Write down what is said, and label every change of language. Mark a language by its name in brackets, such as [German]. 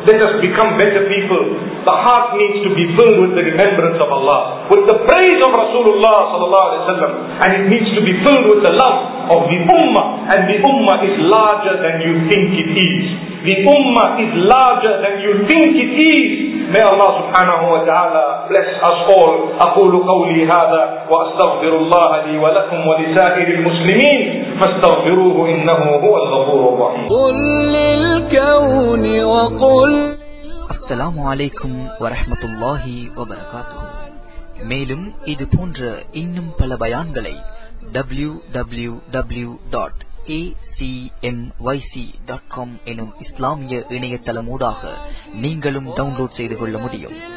[English] Let us become better people. The heart needs to be filled with the remembrance of Allah, with the praise of Rasulullah sallallahu alaihi wasallam, and it needs to be filled with the love of the ummah. And the ummah is larger than you think it is. The ummah is larger than you think it is. May Allah subhanahu wa ta'ala bless us all. [Arabic] أقول قولي هذا وأستغفر الله لي ولكم ولسائر المسلمين فاستغفروه إنه هو الغفور الرحيم. قل للكون وقل. السلام عليكم ورحمة الله وبركاته. [Tamil] மேலும் இது போன்ற இன்னும் பல பயான்களை www.acmyc.com எனும் இஸ்லாமிய இணையதளம் ஊடாக நீங்களும் டவுன்லோட் செய்து கொள்ள முடியும்.